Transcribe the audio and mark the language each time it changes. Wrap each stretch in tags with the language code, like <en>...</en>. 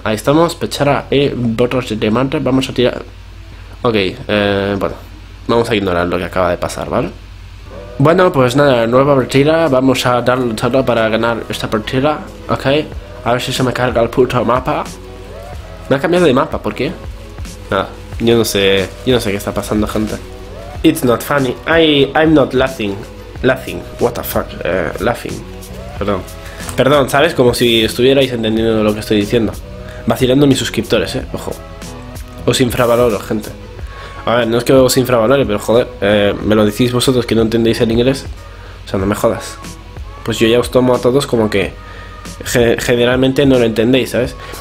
<es>Ahí estamos, pechara, botas de madre, vamos a tirar... Ok, bueno, vamos a ignorar lo que acaba de pasar, ¿vale? Bueno, pues nada, nueva partida, vamos a darle todo para ganar esta partida, ok. A ver si se me carga el puto mapa. Me ha cambiado de mapa, ¿por qué? Nada, yo no sé qué está pasando, gente.</es> <en>It's not funny, I'm not laughing. Laughing, what the fuck, laughing.</en> <es>Perdón. Perdón, ¿sabes? Como si estuvierais entendiendo lo que estoy diciendo. Vacilando mis suscriptores, ojo. Os infravaloro, gente. A ver, no es que os infravalore, pero joder, me lo decís vosotros que no entendéis el inglés. O sea, no me jodas. Pues yo ya os tomo a todos como que generalmente no lo entendéis, ¿sabes?</es>